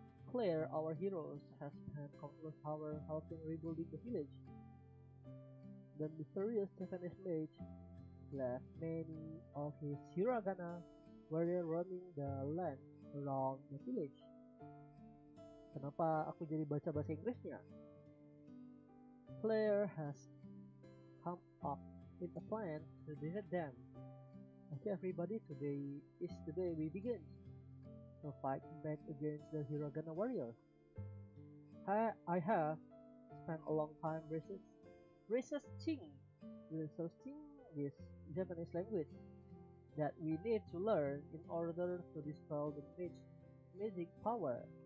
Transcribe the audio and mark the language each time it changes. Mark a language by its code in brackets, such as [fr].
[en] Claire, our heroes, has spent countless hours helping rebuilding the village. The mysterious Japanese mage left many of his hiragana warrior roaming the land around the village. [id] Kenapa aku jadi baca bahasa Inggrisnya? [en] Claire has come up with a plan to defeat them. Okay everybody, today is the day we begin to fight back against the hiragana warriors. I have spent a long time researching this Japanese language that we need to learn in order to dispel the magic power.